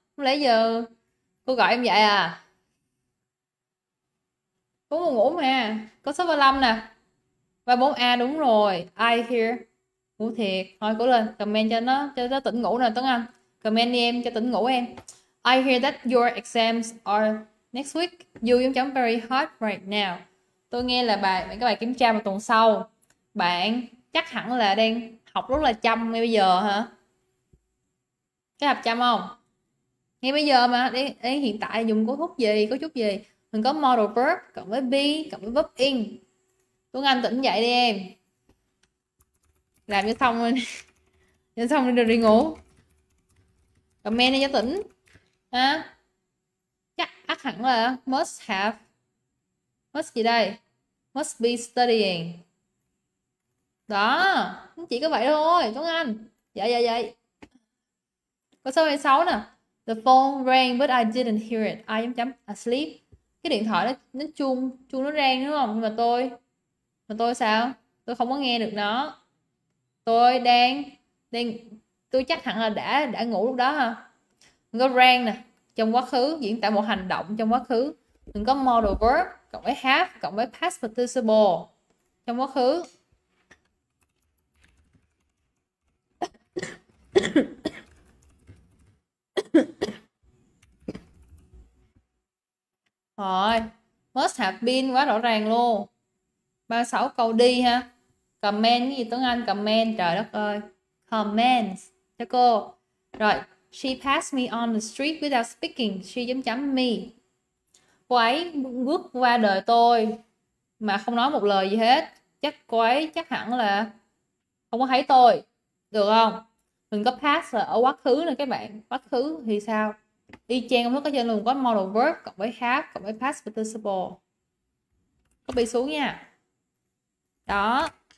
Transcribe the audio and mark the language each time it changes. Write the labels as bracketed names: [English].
[Vietnamese] Không lẽ giờ cô gọi em vậy à? Cô buồn ngủ mà. Có số 35 nè. 34A đúng rồi. [English] I hear. [Vietnamese] Ngủ thiệt. Thôi cố lên, comment cho nó tỉnh ngủ nè Tuấn Anh. Comment đi em cho tỉnh ngủ em. [English] I hear that your exams are next week, you [Vietnamese] chấm [English] very hot right now. [Vietnamese] Tôi nghe là bài cái bài kiểm tra vào tuần sau. Bạn chắc hẳn là đang học rất là chăm ngay bây giờ hả? Cái học chăm không? Ngay bây giờ mà đến hiện tại dùng cấu trúc gì, cấu trúc gì? Mình có modal verb cộng với be cộng với verb in. Tuấn Anh tỉnh dậy đi em. Làm cho xong rồi. Làm xong rồi đi ngủ. Comment đi cho tỉnh. Hả? Chắc hẳn là [English] must have. Must [Vietnamese] gì đây? [English] Must be studying. [Vietnamese] Đó, chỉ có vậy thôi, Tuấn Anh. Dạ. Có số 26 nè. [English] The phone rang but I didn't hear it. I am [Vietnamese] chấm [English] asleep. [Vietnamese] Cái điện thoại nó chuông, chuông nó rang đúng không? Nhưng mà tôi sao? Tôi không có nghe được nó. Tôi đang đang tôi chắc hẳn là đã ngủ lúc đó ha. Có rang nè. Trong quá khứ diễn tả một hành động trong quá khứ, mình có modal verb cộng với have cộng với past participle trong quá khứ. [English] Must have been [Vietnamese] quá rõ ràng luôn. 36 câu đi ha. Comment gì Tuấn Anh, comment trời đất ơi. Comment cho cô. Rồi. [English] She passed me on the street without speaking. She [Vietnamese] chấm chấm [English] me. [Vietnamese] Cô ấy bước qua đời tôi mà không nói một lời gì hết. Chắc cô ấy chắc hẳn là không có thấy tôi. Được không? Mình có past là ở quá khứ nè các bạn. Quá khứ thì sao? Y chang không có trên luôn. Có modal verb cộng với have cộng với past participle. Copy xuống nha. Đó.